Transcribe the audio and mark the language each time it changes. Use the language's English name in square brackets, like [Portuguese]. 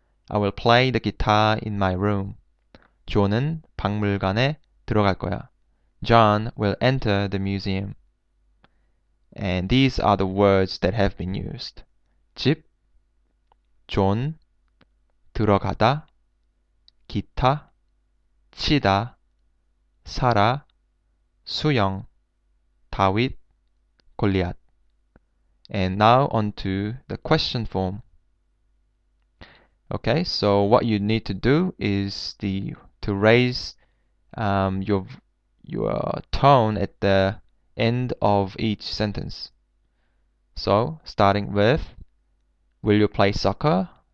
[English] I will play the guitar in my room. [Korean] 존은 박물관에 들어갈 거야. [English] John will enter the museum. And these are the words that have been used. [Korean] 집, 존, 들어가다, 기타, 치다, 사라, 수영, 다윗, 골리앗. [English] And now on to the question form. Okay, so what you need to do is to raise your tone at the end of each sentence. So, starting with, will you play soccer?